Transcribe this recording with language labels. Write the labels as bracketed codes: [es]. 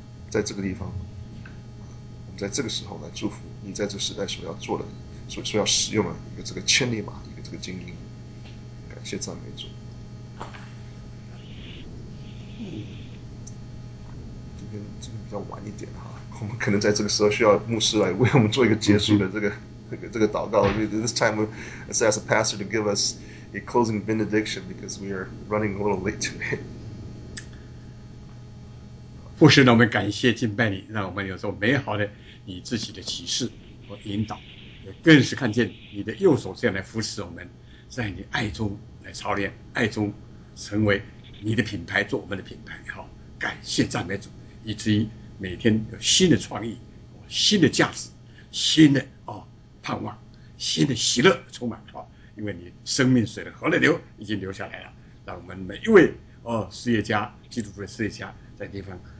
[zh] 在这个地方，我们在这个时候来祝福你在这个时代所要做的，所要使用的一个这个千里马，一个这个精英。感谢赞美主。今天比较晚一点哈，我们可能在这个时候需要牧师来为我们做一个结束的这个祷告。 [en] This time, let's ask a pastor to give us a closing benediction because we are running a little late today. [zh] 父神，我们感谢敬拜你，让我们有这美好的你自己的启示和引导，也更是看见你的右手这样来扶持我们，在你爱中来操练，爱中成为你的品牌，做我们的品牌。好，感谢赞美主。以至于每天有新的创意、新的价值、新的盼望、新的喜乐充满因为你生命水的河的流已经流下来了，让我们每一位事业家、基督徒的事业家，在地方